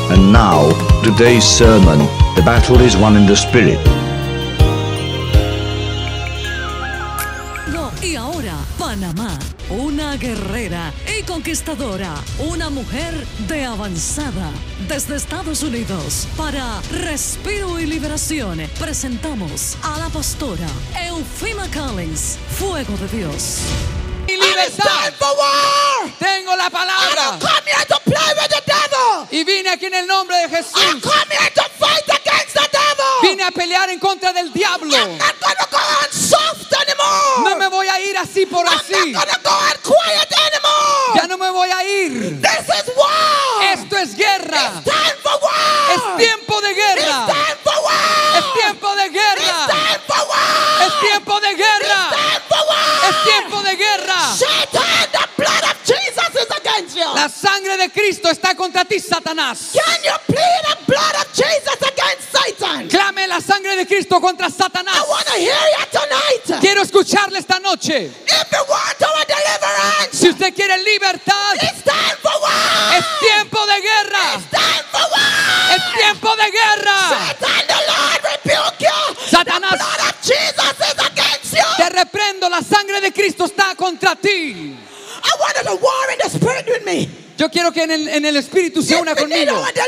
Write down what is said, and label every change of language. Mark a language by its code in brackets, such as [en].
[en] Now, today's sermon, the battle is won in the spirit. [es] No, y ahora, Panamá, una guerrera y conquistadora, una mujer de avanzada. Desde Estados Unidos, para Respiro y Liberación, presentamos a la pastora Eufima Collins, Fuego de Dios. Y libertad. [en] For war. [es] Tengo la palabra. [en] I don't come here to play with the devil. [es] Y vine aquí en el nombre de Jesús. [en] I come here to fight against the devil. [es] Vine a pelear en contra del diablo. [en] I'm not gonna go on soft anymore. [es] No me voy a ir así por [en] I'm [es] así. [en] I'm not gonna go on quiet anymore. [es] Ya no me voy a ir. [en] This is war. [es] Esto es guerra. [en] It's time for war. [es] Es tiempo de guerra. [en] It's time for war. [es] Es tiempo de guerra. [en] It's time for war. [es] Es tiempo de guerra. [en] It's time for war. [es] Es tiempo de guerra. [en] Satan, the blood of Jesus is against you. [es] La sangre de Cristo está contra ti, Satanás. [en] Can you plead the blood of Jesus against Satan? [es] Clame la sangre de Cristo contra Satanás. [en] I want to hear you tonight. [es] Quiero escucharle esta noche. [en] If you want our deliverance. [es] Si usted quiere libertad. [en] It's time for war. [es] Es tiempo de guerra. [en] It's time for war. [es] Es tiempo de guerra. [en] Satan, the Lord rebuke you. [es] Satanás. [en] The blood of Jesus is against you. [es] Te reprendo, la sangre de Cristo está contra ti. [en] I wanted a war in the spirit with me. [es] Yo quiero que en el Espíritu se una conmigo.